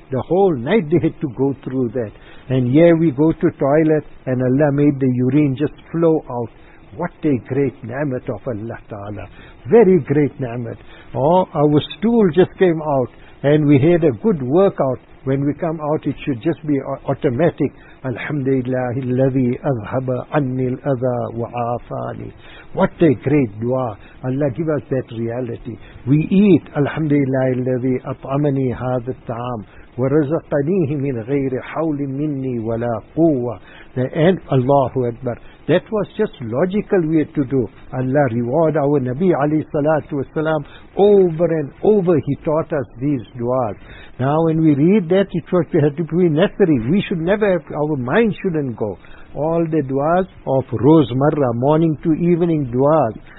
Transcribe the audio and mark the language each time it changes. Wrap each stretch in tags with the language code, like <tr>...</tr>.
<en>The whole night they had to go through that. And yeah, we go to toilet, and Allah made the urine just flow out. What a great ni'mat of Allah Ta'ala. Very great ni'mat. Oh, our stool just came out, and we had a good workout. When we come out, it should just be automatic.</en> <ar>Alhamdulillah, الَّذِي أَذْهَبَ عَنِّي الْأَذَى وَعَافَانِي.</ar> <en>What a great dua. Allah give us that reality. We eat.</en> <ar>Alhamdulillah, الَّذِي أَطْعَمَنِي هَذَا الطَّعَامِ وَرَزَقَنِيهِ مِنْ غَيْرِ حَوْلٍ مِنِّي وَلَا قُوَّةٍ.</ar> <en>And Allahu Akbar. That was just logical we had to do. Allah reward our Nabi alayhi salatu wasalam. Over and over he taught us these du'as. Now when we read that, it was had to be necessary. We should never have, our mind shouldn't go. All the du'as of rozmarra, morning to evening du'as.</en>